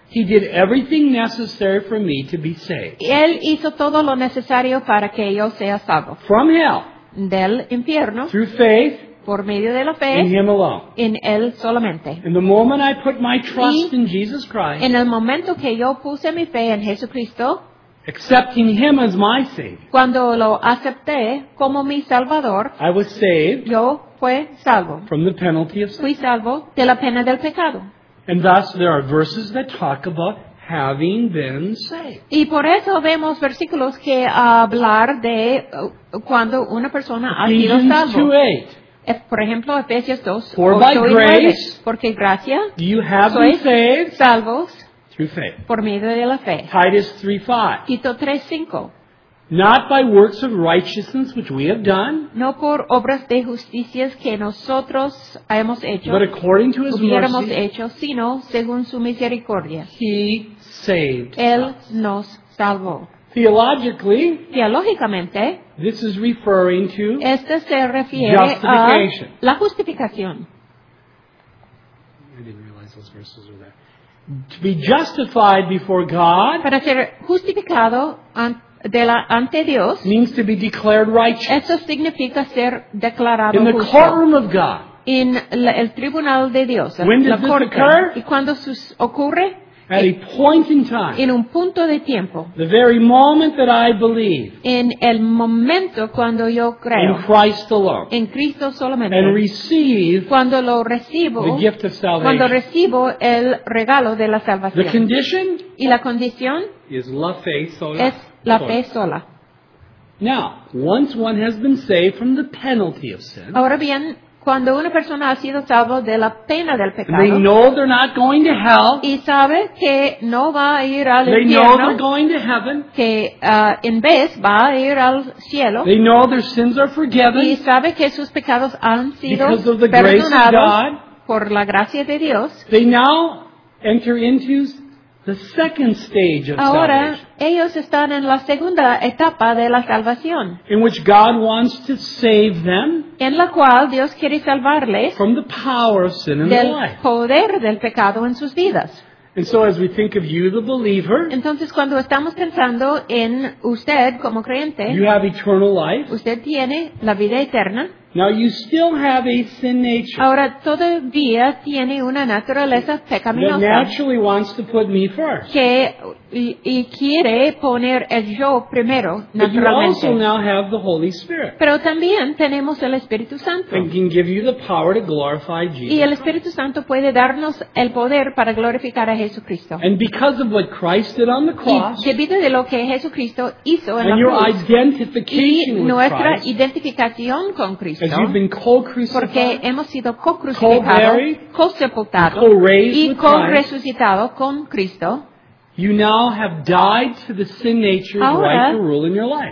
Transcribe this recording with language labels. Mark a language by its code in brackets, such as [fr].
[en] He did everything necessary for me to be saved. [es] Él hizo todo lo necesario para que yo sea salvo. [en] From hell, [es] del infierno, [en] through faith, [es] por medio de la fe, [en] in him alone. [es] En él solamente. [en] In the moment I put my trust in Jesus Christ, [es] en el momento que yo puse mi fe en Jesucristo, [en] accepting him as my savior, [es] cuando lo acepté como mi salvador, [en] I was saved. [es] Yo fue salvo. [en] From the penalty of sin. [es] Fui salvo de la pena del pecado. [en] And thus there are verses that talk about having been saved. [es] Y por eso vemos versículos que hablar de cuando una persona ha sido salvo. [en] Ephesians 2:8. [es] Por ejemplo, Efesios 2. [en] For by grace, [es] porque gracia, [en] you have [es] sois [en] been saved [es] salvos [en] through faith. [es] Por medio de la fe. [en] Titus 3:5. [es] Tito 3:5. [en] Not by works of righteousness which we have done, [es] no por obras de justicias que nosotros hemos hecho, [en] but according to his [es] hubiéramos [en] mercy, [es] hecho, sino según su misericordia. [en] He saved [es] él [en] us. [es] Nos salvó. [en] Theologically, [es] teológicamente, [en] this is referring to [es] este se refiere [en] justification. [es] A la justificación. [en] I didn't realize those verses were there. To be justified before God, [es] para ser justificado ante Dios, [en] means to be declared righteous. [es] Eso significa ser declarado [en] in the [es] justo. [en] Courtroom of God. [es] En el tribunal de Dios. [en] When [es] la [en] does [es] corte. [en] This occur? [es] ¿Y cuando ocurre? [en] At a point in time. [es] En un punto de tiempo. [en] The very moment that I believe. [es] En el momento cuando yo creo. [en] In Christ alone. [es] En Cristo solamente. [en] And receive. [es] Cuando lo recibo. [en] The gift of salvation. [es] Cuando recibo el regalo de la salvación. [en] The condition. [es] Y la condición. [en] Is [es] la fe sola. Es la fe sola. [en] Now, once one has been saved from the penalty of sin. [es] Ahora bien. Cuando una persona ha sido salvo de la pena del pecado, [en] they know they're not going to hell, [es] y sabe que no va a ir al [en] they [es] infierno, [en] know they're going to heaven, [es] que en vez va a ir al cielo, [en] they know their sins are forgiven, [es] y sabe que sus pecados han sido [en] because of the grace [es] perdonados [en] of God, [es] por la gracia de Dios, [en] they now enter into the second stage of [es] ahora, [en] salvation, [es] ellos están en la segunda etapa de la salvación, [en] in which God wants to save them [es] en la cual Dios quiere salvarles [en] from the power of sin in [es] del [en] life. [es] Poder del pecado en sus vidas. [en] And so as we think of you, the believer, [es] entonces cuando estamos pensando en usted como creyente, [en] you have eternal life. [es] Usted tiene la vida eterna. [en] Now you still have a sin nature. [es] Ahora todavía tiene una naturaleza pecaminosa. [en] That naturally wants to put me first. [es] Que y quiere poner el yo primero, naturalmente. [en] But you also now have the Holy Spirit. [es] Pero también tenemos el Espíritu Santo. [en] And can give you the power to glorify Jesus. [es] Y el Espíritu Santo puede darnos el poder para glorificar a Jesucristo. [en] And because of what Christ did on the cross. [es] Y debido de lo que Jesucristo hizo en la cruz. [en] And your identification with Christ. [es] Y nuestra identificación con Cristo. [en] As you've been co-crucified, [es] porque hemos sido co-crucificados, co-sepultados y co-resucitados con Cristo. [en] You now have died to the sin nature and right to rule in your life.